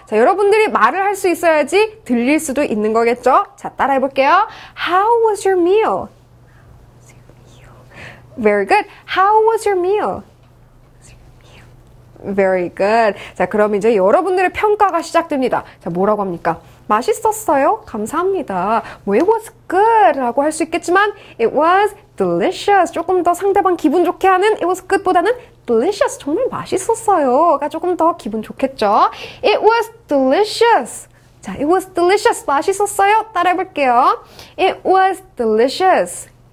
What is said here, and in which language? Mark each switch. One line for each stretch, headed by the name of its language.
Korean: 자, 여러분들이 말을 할수 있어야지 들릴 수도 있는 거겠죠? 자, 따라해 볼게요.
English: How was your meal? Very good. How was your meal? Very good.
Korean: 자, 그럼 이제 여러분들의 평가가 시작됩니다. 자, 뭐라고 합니까? 맛있었어요? 감사합니다.
English: 뭐, it was good
Korean: 라고 할수 있겠지만,
English: it was delicious.
Korean: 조금 더 상대방 기분 좋게 하는
English: it was good
Korean: 보다는 delicious. 정말 맛있었어요가 조금 더 기분 좋겠죠?
English: It was delicious.
Korean: 자,
English: it was delicious.
Korean: 맛있었어요? 따라해볼게요.
English: It was delicious.